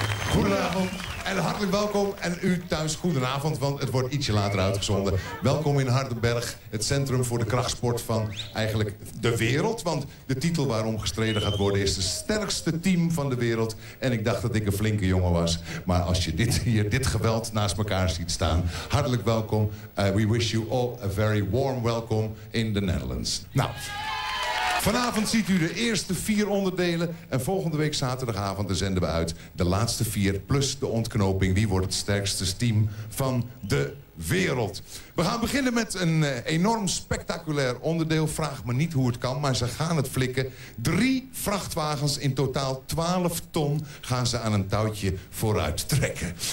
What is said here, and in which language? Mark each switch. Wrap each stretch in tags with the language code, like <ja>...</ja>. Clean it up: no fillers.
<nl>Goedenavond en hartelijk welkom en u thuis goedenavond, want het wordt ietsje later uitgezonden. Welkom in Hardenberg, het centrum voor de krachtsport van eigenlijk de wereld. Want de titel waarom gestreden gaat worden is de sterkste team van de wereld. En ik dacht dat ik een flinke jongen was. Maar als je dit hier, dit geweld naast elkaar ziet staan, hartelijk welkom.</nl> <en>We wish you all a very warm welcome in the Netherlands.</en> <nl>Nou, vanavond ziet u de eerste vier onderdelen en volgende week zaterdagavond zenden we uit de laatste vier plus de ontknoping. Wie wordt het sterkste team van de wereld? We gaan beginnen met een enorm spectaculair onderdeel. Vraag me niet hoe het kan, maar ze gaan het flikken. Drie vrachtwagens, in totaal 12 ton, gaan ze aan een touwtje vooruit trekken.</nl>